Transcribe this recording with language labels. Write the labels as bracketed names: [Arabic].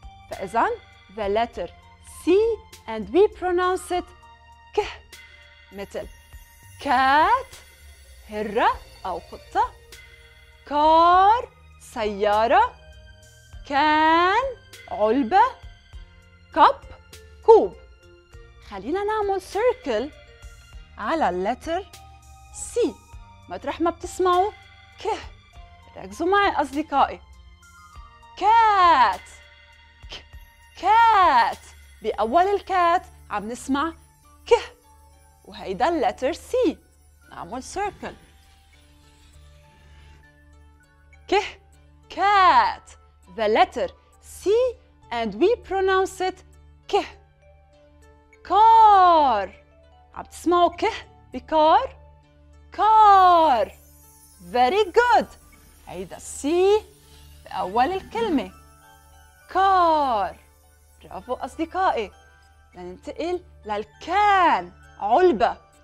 [English] فإذن the letter C and we pronounce it ك. [Arabic] مثل cat هرة أو قطة، car سيارة، can علبة، cup كوب. خلينا نعمل circle على letter C مطرح ما بتسمعوا ك. ركزوا معي أصدقائي. cat ك cat بأول الكات عم نسمع ك، وهيدا letter C. نعمل circle كه cat. [English] The letter C and we pronounce it كه. car. [Arabic] عم تسمعوا كه بكار؟ car. [English] very good. [Arabic] عيد C بأول الكلمة car. برافو أصدقائي. ننتقل للكان، علبة.